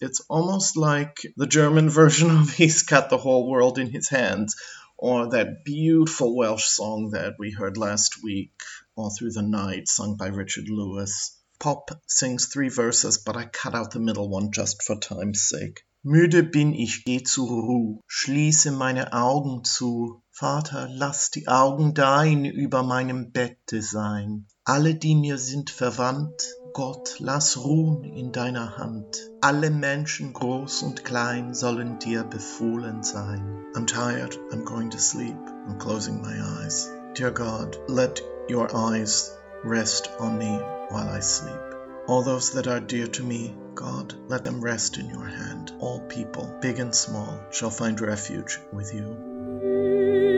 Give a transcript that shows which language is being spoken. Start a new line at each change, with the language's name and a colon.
English: It's almost like the German version of He's Got the Whole World in His Hands, or that beautiful Welsh song that we heard last week, All Through the Night, sung by Richard Lewis. Pop sings three verses, but I cut out the middle one just for time's sake.
German: Müde bin ich, geh zur Ruh, schließe meine Augen zu. Vater, lass die Augen dein über meinem Bette sein. Alle, die mir sind verwandt, Gott, lass ruhen in deiner Hand. Alle Menschen, groß und klein, sollen dir befohlen sein.
English: I'm tired, I'm going to sleep, I'm closing my eyes. Dear God, let your eyes rest on me while I sleep. All those that are dear to me, God, let them rest in your hand. All people, big and small, shall find refuge with you.